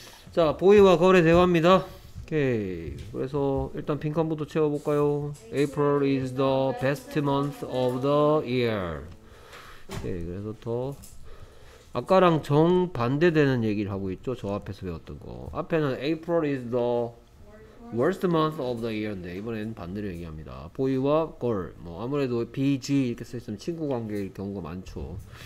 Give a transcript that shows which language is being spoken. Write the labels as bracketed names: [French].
[Korean] 자, 보이와 거래 대화입니다. 오케이. 그래서 일단 빈칸부터 채워볼까요? [English] April is the best month of the year. [Korean] 오케이. 그래서 더 아까랑 정 반대되는 얘기를 하고 있죠. 저 앞에서 배웠던 거. 앞에는 [English] April is the worst month of the year [Korean] 인데 이번엔 반대로 얘기합니다. 보이와 걸. 뭐 아무래도 BG 이렇게 써 있으면 친구 관계일 경우가 많죠.